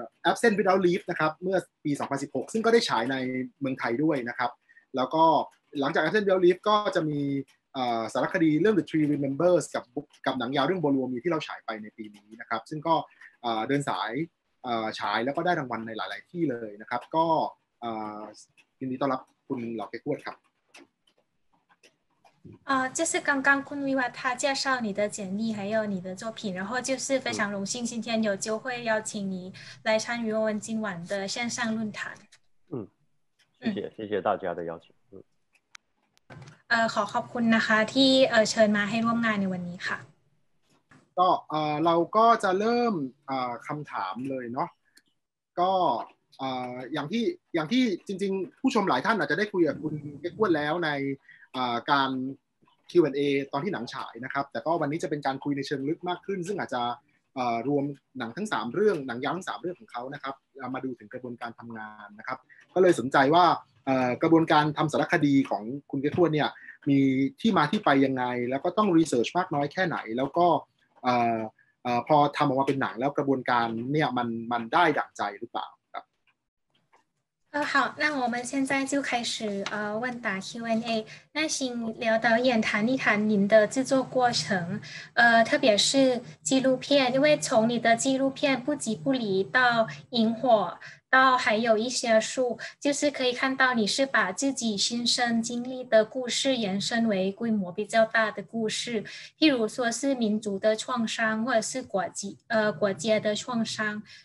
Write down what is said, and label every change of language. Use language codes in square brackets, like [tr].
[th] Absent Without Leave นะครับเมื่อปี2016ซึ่งก็ได้ฉายในเมืองไทยด้วยนะครับแล้วก็หลังจาก Absent Without Leave ก็จะมีสารคดีเรื่อง The Three Remembers กับหนังยาวเรื่องBolomiที่เราฉายไปในปีนี้นะครับซึ่งก็เดินสายฉายแล้วก็ได้รางวัลในหลายๆที่เลยนะครับก็ยินดีต้อนรับคุณหลอกเก๊กฮ้วนครับ [zh] 这是刚刚昆维瓦他介绍你的简历，还有你的作品，然后就是非常荣幸今天有机会邀请你来参与我们今晚的线上论坛。嗯，谢谢，谢谢大家的邀请。 [th] ขอขอบคุณนะคะที่เชิญมาให้ร่วมงานในวันนี้ค่ะ ก็เราก็จะเริ่มคำถามเลยเนาะก็อย่างที่จริงๆผู้ชมหลายท่านอาจจะได้คุยกับคุณเก๊กฮ้วนแล้วในการ Q&A ตอนที่หนังฉายนะครับแต่ก็วันนี้จะเป็นการคุยในเชิงลึกมากขึ้นซึ่งอาจจะ รวมหนังทั้ง3เรื่องหนังยาวทั้ง3เรื่องของเขานะครับมาดูถึงกระบวนการทำงานนะครับก็เลยสนใจว่ากระบวนการทำสารคดีของคุณเก๊กฮ้วนเนี่ยมีที่มาที่ไปยังไงแล้วก็ต้องรีเสิร์ชมากน้อยแค่ไหนแล้วก็พอทำออกมาเป็นหนังแล้วกระบวนการเนี่ยมันได้ดั่งใจหรือเปล่า [zh] 好，那我们现在就开始问答 Q&A。那请刘导演谈一谈您的制作过程，特别是纪录片，因为从你的纪录片《不急不离》到《萤火》，到还有一些书，就是可以看到你是把自己亲身经历的故事延伸为规模比较大的故事，譬如说是民族的创伤，或者是国界的创伤。